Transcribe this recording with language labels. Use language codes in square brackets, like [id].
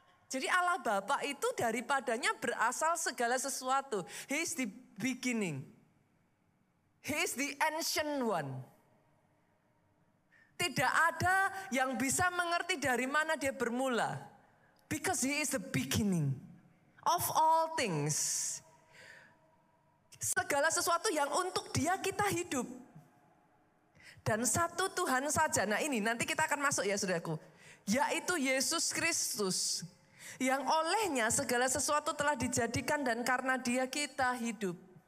[id] Jadi Allah Bapa itu daripadanya berasal segala sesuatu. [en] He is the beginning. He is the ancient one. [id] Tidak ada yang bisa mengerti dari mana dia bermula. [en] Because he is the beginning of all things. [id] Segala sesuatu yang untuk dia kita hidup. Dan satu Tuhan saja. Nah ini nanti kita akan masuk ya saudaraku. Yaitu Yesus Kristus. Yang olehnya segala sesuatu telah dijadikan dan karena dia kita hidup.